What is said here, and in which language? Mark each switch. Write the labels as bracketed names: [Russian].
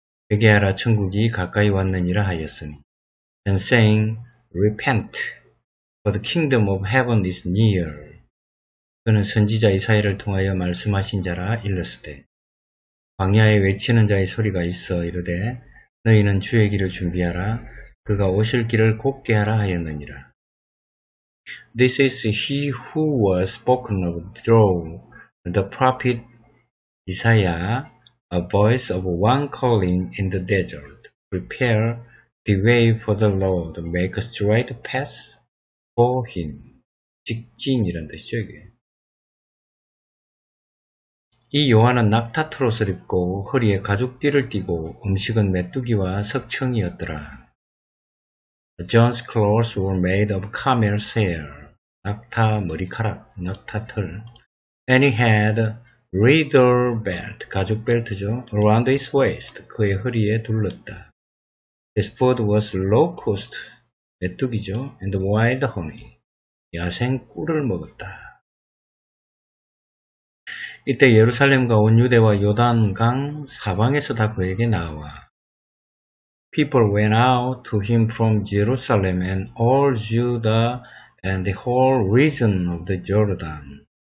[Korean] 회개하라 천국이 가까이 왔느니라 하였으니 [English] And saying, Repent, for the kingdom of heaven is near. [Korean] 그는 선지자 이사야를 통하여 말씀하신 자라 일렀으되 광야에 외치는 자의 소리가 있어 이르되 너희는 주의 길을 준비하라 그가 오실 길을 곱게 하라 하였느니라. [English] This is he who was spoken of through the prophet Isaiah, a voice of one calling in the desert, prepare the way for the Lord, make a straight path for him. [Korean] 직진이란 뜻이죠, 이게. 이 요한은 낙타 트롯을 입고 허리에 가죽띠를 띠고 음식은 메뚜기와 석청이었더라. [English] John's clothes were made of camel's hair, [Korean] 낙타 머리카락, 낙타 털. [English] And he had leather belt, [Korean] 가죽 벨트죠. [English] Around his waist, [Korean] 그의 허리에 둘렀다. [English] His food was locust, [Korean] 메뚜기죠. [English] And wild honey, [Korean] 야생 꿀을 먹었다. 이때 예루살렘과 온 유대와 요단강 사방에서 다 그에게 나와. [English] People went out to him from Jerusalem and all Judah and the whole region of the Jordan.